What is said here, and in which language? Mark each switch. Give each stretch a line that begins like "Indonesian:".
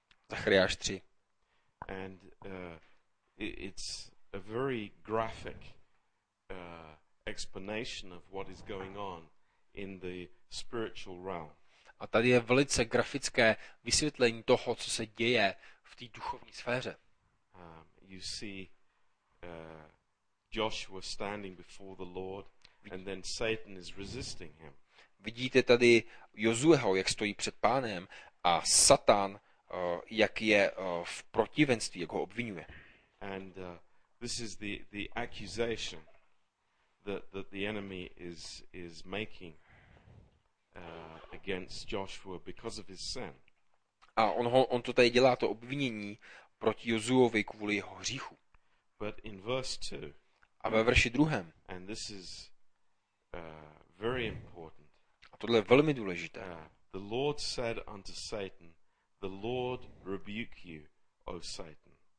Czech: Zachariáš 3.
English: And it's a very graphic explanation of what is going on in the spiritual realm.
Czech: A tady je velice grafické vysvětlení toho, co se děje v té duchovní sféře.
English: You see Joshua standing before the Lord and then Satan is resisting him.
Czech: Vidíte tady Josueho, jak stojí před Pánem, a Satan, jak je v protivenství, jak ho obvinuje.
English: And this is the accusation that the enemy is making against Joshua because of his sin.
Czech: A on to tady dělá, to obvinění proti Josuovi kvůli jeho hříchu.
English: But in verse 2.
Czech: A ve verši druhém.
English: And this is very important.
Czech: A tohle je velmi důležité.
English: The Lord said unto Satan, the Lord rebuke you, O Satan.